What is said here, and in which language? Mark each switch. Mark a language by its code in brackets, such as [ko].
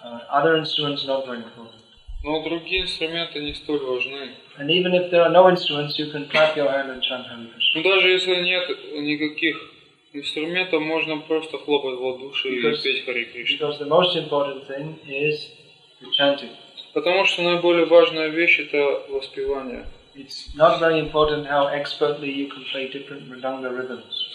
[en] Other instruments not very important. [ru] Но другие инструменты не столь важны. [en] And even if there are no instruments, you can clap your hand and chant Hare Krishna. [ru] Даже если нет никаких инструментов, можно просто хлопать в ладоши и петь Харе Кришна. [en] Because the most important thing is the chanting. [ru] Потому что наиболее важная вещь это воспевание. [en] It's not very important how expertly you can play different mridanga rhythms.